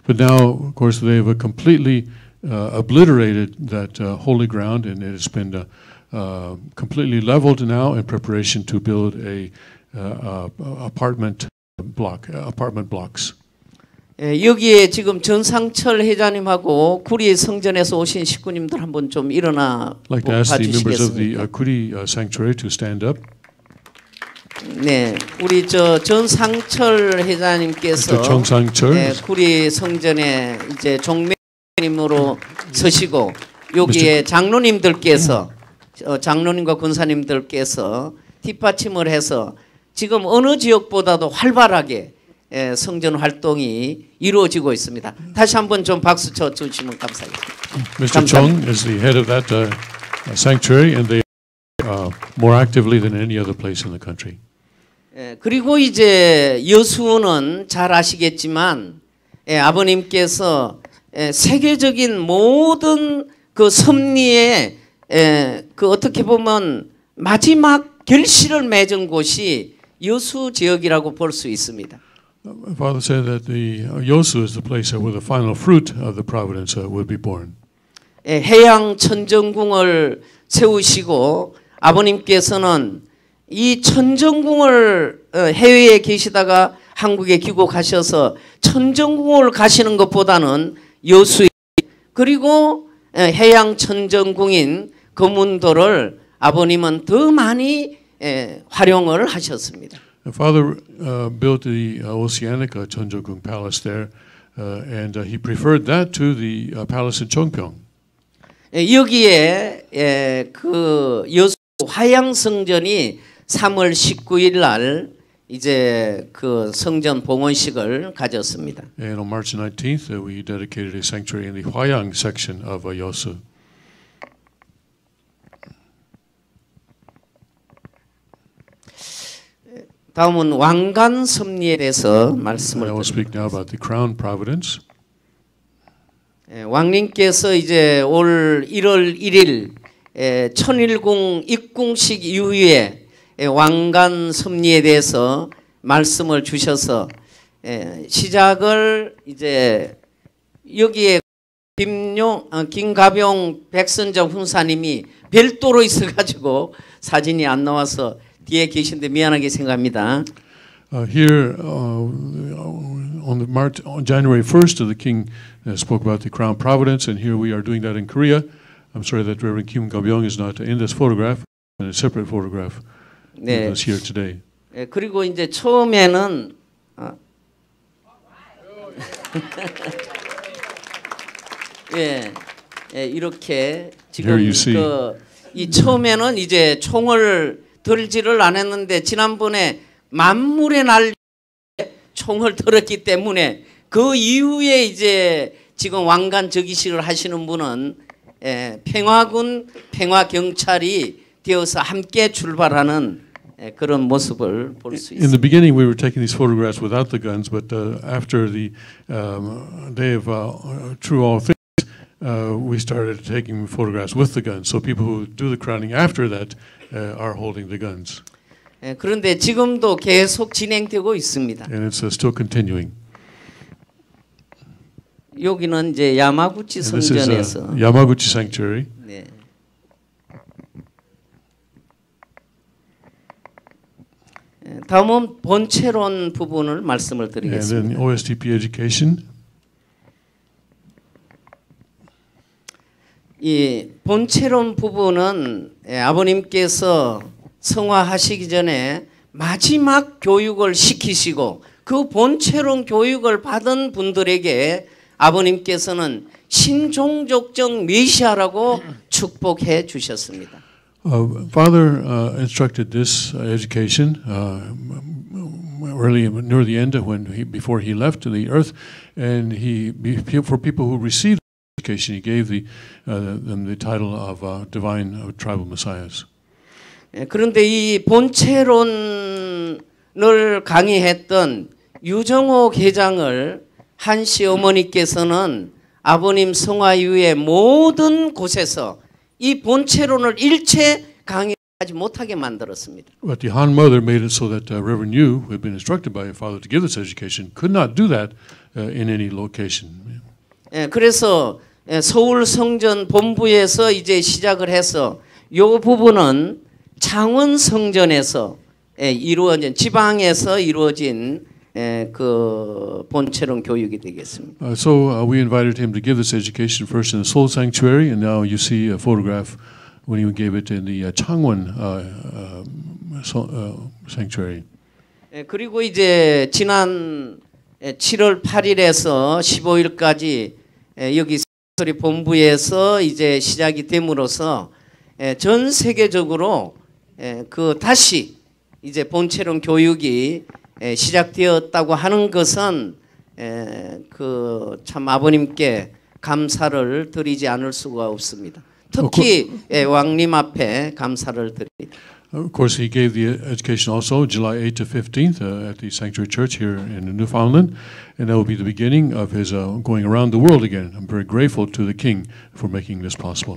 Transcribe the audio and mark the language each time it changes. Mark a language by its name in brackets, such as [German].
[English] But now, of course, they have completely obliterated that holy ground, and it has been completely leveled now in preparation to build a apartment blocks. [Korean] 여기에 지금 전상철 회장님하고 구리 성전에서 오신 식구님들 한번 좀 일어나 봐주시겠습니까? 네, 우리 저 전상철 회장님께서 전상철 네, 구리 성전에 이제 종매님으로 서시고 여기에 장로님들께서 장로님과 권사님들께서 뒷받침을 해서 지금 어느 지역보다도 활발하게 예, 성전 활동이 이루어지고 있습니다. 다시 한번 좀 박수 쳐 주시면 감사하겠습니다. [English] Mr. Chung is the head of that sanctuary, and they more actively than any other place in the country. [Korean] 예, 그리고 이제 여수는 잘 아시겠지만 예, 아버님께서 예, 세계적인 모든 그 섭리에 예, 그 어떻게 보면 마지막 결실을 맺은 곳이 여수 지역이라고 볼 수 있습니다. [English] My father said that the Yosu is the place where the final fruit of the providence would be born. [Korean] 예, 해양 천정궁을 세우시고 아버님께서는 이 천정궁을 해외에 계시다가 한국에 귀국하셔서 천정궁을 가시는 것보다는 여수 그리고 예, 해양 천정궁인 금운도를 아버님은 더 많이 예, 활용을 하셨습니다. [English] My father built the Oceanic Chonjogung Palace there, and he preferred that to the palace in Chongpyeong. [Korean] 여기에 예, 그 여수 화양 성전이 3월 19일 날 이제 그 성전 봉헌식을 가졌습니다. [English] And on March 19th, we dedicated a sanctuary in the Huayang section of Yosu. [Korean] 다음은 왕관 섭리에 대해서 말씀을 드립니다. [English] I will speak now about the Crown Providence. [Korean] 예, 왕님께서 이제 올 1월 1일 예, 천일궁 입궁식 이후에 예, 왕관 섭리에 대해서 말씀을 주셔서 예, 시작을 이제 여기에 김가병 백선정 훈사님이 별도로 있어가지고 사진이 안 나와서 뒤에 계신데 미안하게 생각합니다. [English] Here on the March on January 1st, the King spoke about the Crown Providence, and here we are doing that in Korea. I'm sorry that Reverend Kim Gabyeong is not in this photograph, in a separate photograph. 네. He is here today. [Korean] 네, 그리고 이제 처음에는 예, 예, 이렇게 지금 그 이 처음에는 이제 총을 들지를 안 했는데 지난번에 만물의 날 총을 들었기 때문에 그 이후에 이제 지금 왕관 즉위식을 하시는 분은 예, 평화군 평화 경찰이 되어서 함께 출발하는 예, 그런 모습을 볼 수 있습니다. [English] In the beginning, we were taking these photographs without the guns, but after the day of true all things. We started taking photographs with the guns. So people who do the crowning after that are holding the guns. [Korean] 예, 그런데 지금도 계속 진행되고 있습니다. [English] And it's still continuing. [Korean] 여기는 이제 야마구치 성전에서 [English] 야마구치 sanctuary. 네. [Korean] 다음은 본체론 부분을 말씀을 드리겠습니다. [English] And then OSTP education. [Korean] 이 본체론 부분은 예, 아버님께서 성화하시기 전에 마지막 교육을 시키시고 그 본체론 교육을 받은 분들에게 아버님께서는 신종족적 메시아라고 축복해 주셨습니다. [English] Father instructed this education early near the end of when he before he left the earth, and he for people who received. Education. He gave them the title of divine tribal messiahs. [Korean] 그런데 이 본체론 를 강의했던 유정호 회장을 한 시어머니께서는 아버님 성화 이후에 모든 곳에서 이 본체론을 일체 강의하지 못하게 만들었습니다. [English] But the Han mother made it so that Reverend Yu, who had been instructed by her father to give this education, could not do that in any location. [Korean] 예, 그래서 서울 성전 본부에서 이제 시작을 해서 이 부분은 창원 성전에서 이루어진 지방에서 이루어진 그 본체론 교육이 되겠습니다. [English] So we invited him to give this education first in the Seoul sanctuary, and now you see a photograph when he gave it in the Changwon sanctuary. [Korean] 그리고 이제 지난 7월 8일에서 15일까지 여기 서울 본부에서 이제 시작이 됨으로써 전 세계적으로 그 다시 이제 본체론 교육이 시작되었다고 하는 것은 그 참 아버님께 감사를 드리지 않을 수가 없습니다. 특히 왕님 앞에 감사를 드립니다. [English] Of course, he gave the education also July 8th to 15th at the Sanctuary Church here in Newfoundland, and that will be the beginning of his going around the world again. I'm very grateful to the King for making this possible.